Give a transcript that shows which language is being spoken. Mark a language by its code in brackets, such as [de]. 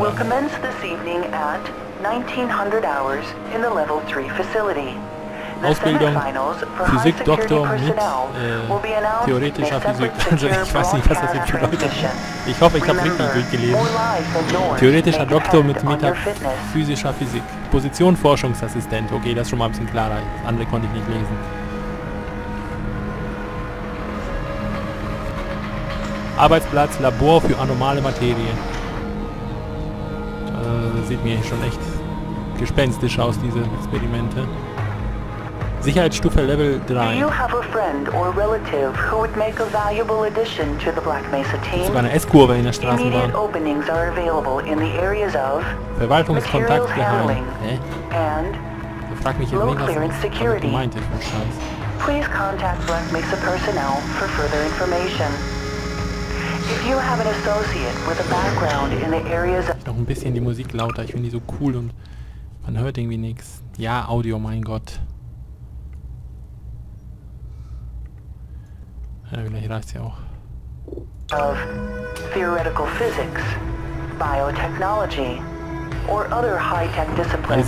[en] Will commence this evening at 1900 hours in the Level 3 facility. [de] Ausbildung, Physik-Doktor mit theoretischer Physik. Also ich weiß nicht, was das jetzt bedeutet. Ich hoffe, ich habe wirklich durchgelesen. Theoretischer Doktor mit metaphysischer Physik. Position Forschungsassistent. Okay, das ist schon mal ein bisschen klarer. Das andere konnte ich nicht lesen. Arbeitsplatz, Labor für anomale Materie. Sieht mir schon echt gespenstisch aus, diese Experimente. Sicherheitsstufe Level 3. [en] Do you have a friend or relative who would make a valuable addition to the Black Mesa team? [de] Sogar eine S-Kurve in der Straßenbahn. [en] Immediate openings are available in the areas of [de] Verwaltungskontakt geheim. [en] And [de] da frag mich jetzt nicht, was damit gemeint ist, mein Scheiß. [en] Please contact Black Mesa personnel for further information. If you have an associate with a background in the areas of [de] noch ein bisschen die Musik lauter, ich finde die so cool und man hört irgendwie nichts. Ja, Audio, mein Gott. Ja, vielleicht reicht's ja auch. [en] Of theoretical physics, biotechnology, or other high-tech disciplines.